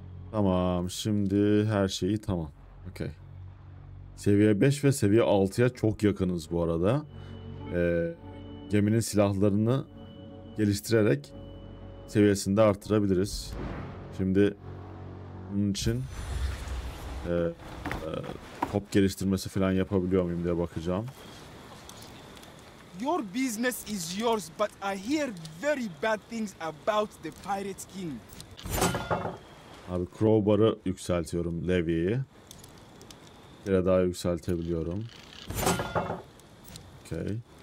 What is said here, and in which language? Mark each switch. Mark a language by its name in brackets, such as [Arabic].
[Turkish] Tamam, şimdi her şeyi tamam. Okey. Seviye 5 ve seviye 6'ya çok yakınız bu arada. Geminin silahlarını geliştirerek seviyesini de artırabiliriz. Şimdi bunun için top geliştirmesi falan yapabiliyor muyum diye bakacağım. [English] Your business is yours, but I hear very bad things about the Pirate King. [Turkish] Abi crowbar'ı yükseltiyorum, levyeyi. Bir de daha yükseltebiliyorum. Okay.